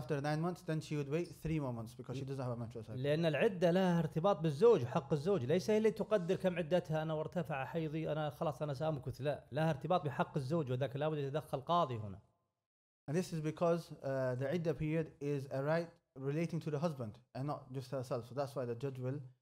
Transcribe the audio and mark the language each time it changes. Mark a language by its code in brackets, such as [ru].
[en] After 9 months, then she would wait 3 more months because she doesn't have a menstrual cycle. [ar] لأن العدة لها ارتباط بالزوج وحق الزوج, ليس هي اللي تقدر كم عدتها, أنا وارتفع حيضي أنا خلاص أنا سأمكث, لا, لها ارتباط بحق الزوج, وذاك لابد يتدخل قاضي هنا. [en] And this is because the عدة period is a right relating to the husband and not just herself, so that's why the judge will